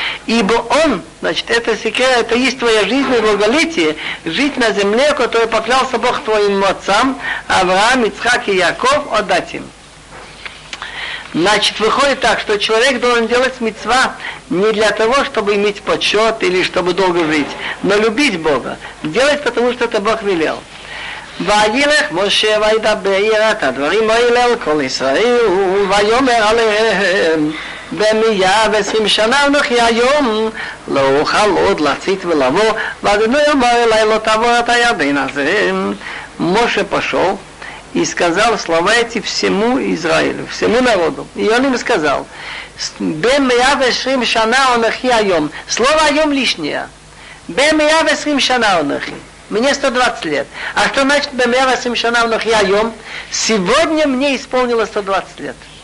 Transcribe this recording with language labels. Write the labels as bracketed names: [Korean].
[Russian] Ибо он, значит, это секрет, это есть твоя жизнь и благолетие, жить на земле, которую поклялся Бог твоим отцам, Авраам, Ицхак и Яков, отдать им. Значит, выходит так, что человек должен делать мицва не для того, чтобы иметь почет или чтобы долго жить, но любить Бога. Делать, потому что это Бог велел. [Hebrew] וילך משה וידבר את הדברים האלה על כל ישראל ויאמר עליהם במאה ועשרים שנה אנוכי היום לא אוכל עוד לצאת ולבוא ואדוני אמר אליי לא תעבור את הירדן הזה. משה פשוט [Russian] и сказал слова эти всему Израилю, всему народу. И он им сказал, [Hebrew] «Бем явешрим шана онахи айом». [Russian] Слово «айом» лишнее. [Hebrew] «Бем явешрим шана онахи». [Russian] Мне 120 лет. А что значит [Hebrew] «бем явешрим шана онахи айом»? [Russian] Сегодня мне исполнилось 120 лет.